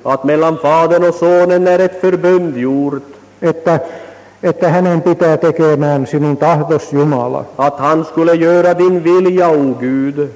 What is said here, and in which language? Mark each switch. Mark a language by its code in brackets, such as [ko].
[sv] Att mellan fadern och sonen är ett förbund gjort. [fi] Että hänen pitää tekemään sinun tahtos Jumala. [sv] Att han skulle göra din vilja, o Gud.